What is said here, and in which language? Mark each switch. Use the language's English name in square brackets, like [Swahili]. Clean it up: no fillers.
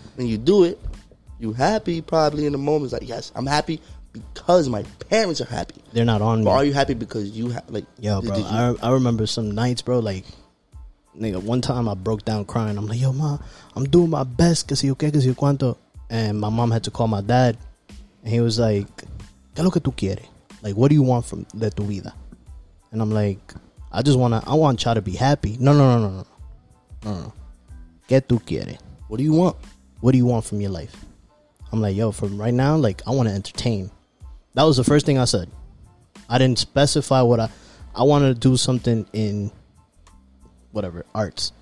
[English] when you do it, you happy probably in the moment. It's like, yes, I'm happy because my parents are happy. They're not on but me. Are you happy because you have, like, yo, bro, I remember some nights, bro, like, nigga, one time I broke down crying. I'm like, yo, ma, I'm doing my best. [Spanish] Que si yo que si yo cuanto. [English] And my mom had to call my dad. And he was like, [Spanish] ¿Qué lo que tú quieres? [English] Like, what do you want from [Spanish] de tu vida? [English] And I'm like, I want y'all to be happy. [Spanish] No. ¿Qué tú quieres? [English] What do you want? What do you want from your life? I'm like, yo, from right now, like, I want to entertain. That was the first thing I said. I didn't specify what I wanted to do something in whatever, arts.